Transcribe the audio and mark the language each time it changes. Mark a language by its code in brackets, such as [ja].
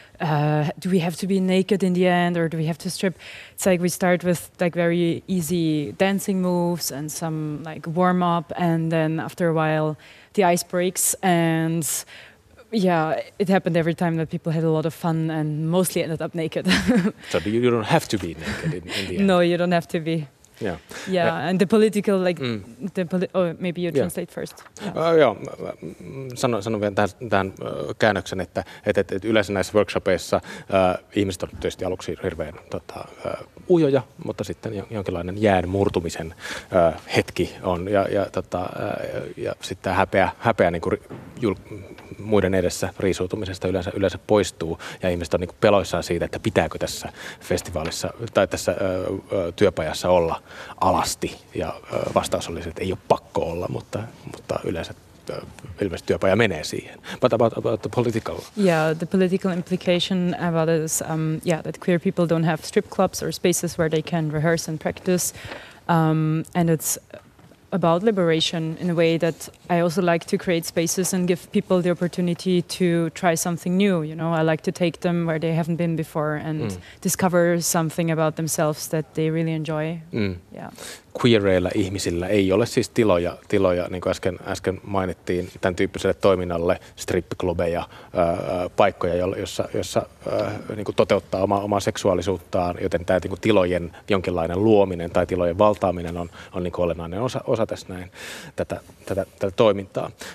[en] Do we have to be naked in the end, or do we have to strip? It's like we start with like very easy dancing moves and some like warm up, and then after a while, the ice breaks. And yeah, it happened every time that people had a lot of fun and mostly ended up naked. So you don't have to be naked in the end. No, you don't have to be. Yeah. Yeah, and the political, like, the maybe you translate first. [fi] Joo, sanon vielä tähän käännöksen, että yleensä näissä workshopeissa ihmiset on tietysti aluksi hirveän ujoja, mutta sitten jonkinlainen jään murtumisen hetki on, ja sitten häpeä niin kuin muiden edessä riisuutumisesta yleensä poistuu, ja ihmiset on niin kuin peloissaan siitä, että pitääkö tässä festivaalissa tai tässä työpajassa olla alasti, ja vastaus oli, että ei ole pakko olla, mutta yleensä ilmeisesti työpaja menee siihen. [en] But about the political. Yeah, the political implication about it is that queer people don't have strip clubs or spaces where they can rehearse and practice. And it's about liberation in a way that I also like to create spaces and give people the opportunity to try something new. You know, I like to take them where they haven't been before and discover something about themselves that they really enjoy. Mm. Yeah. [fi] queereillä ihmisillä ei ole siis tiloja, niin kuin äsken mainittiin, tämän tyyppiselle toiminnalle, strippiklubeja, paikkoja, jossa toteuttaa omaa seksuaalisuuttaan, joten tämä niin kuin tilojen jonkinlainen luominen tai tilojen valtaaminen on niin kuin olennainen osa tässä näin tätä toimintaa.